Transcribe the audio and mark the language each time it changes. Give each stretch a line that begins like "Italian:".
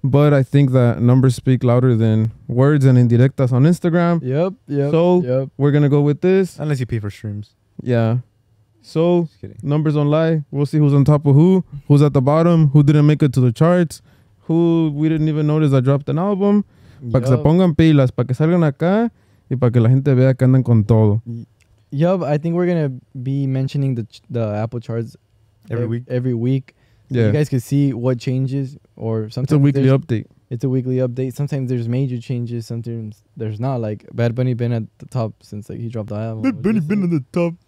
English: But I think that numbers speak louder than words and indirectas on Instagram. Yep, yep. So, yep. We're going to go with this. Unless you pay for streams. Yeah. So, numbers don't lie. We'll see who's on top of who, who's at the bottom, who didn't make it to the charts, who we didn't even notice that dropped an album. Yep.
Spanish: Para que se pongan pilas, para que salgan acá y para que la gente vea que andan con todo.
English: Yup, I think we're going to be mentioning the Apple charts every week. Every week. Yeah. You guys can see what changes or sometimes. It's a weekly update. It's a weekly update. Sometimes there's major changes, sometimes there's not. Like Bad Bunny been at the top since like he dropped the album. Bad Bunny been at the top.